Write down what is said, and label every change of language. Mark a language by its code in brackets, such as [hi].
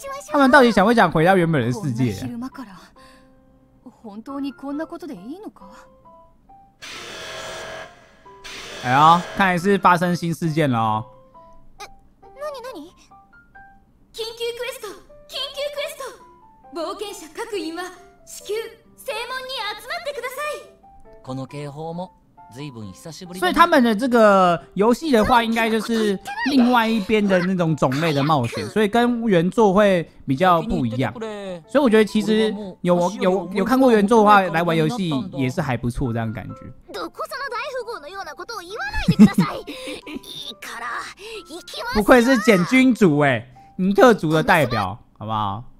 [zh] 他们到底想不想回到原本的世界？ [ja] 本当にこんなことでいいのか？ [zh] 哎呀，看来是发生新事件了 [ja] 哦。え、何何？緊急クエスト、緊急クエスト！冒険者各員は至急正門に集まってください。この警報も随分久しぶり。 [zh] 所以他们的这个游戏的话，应该就是另外一边的那种种类的冒险，所以跟原作会比较不一样。所以我觉得其实有看过原作的话，来玩游戏也是还不错，这样感觉。 [ja] どこその大富豪のようなことを言わないでください。いいから、行きます。 [zh] 不愧是简君主哎，尼特族的代表，好不好？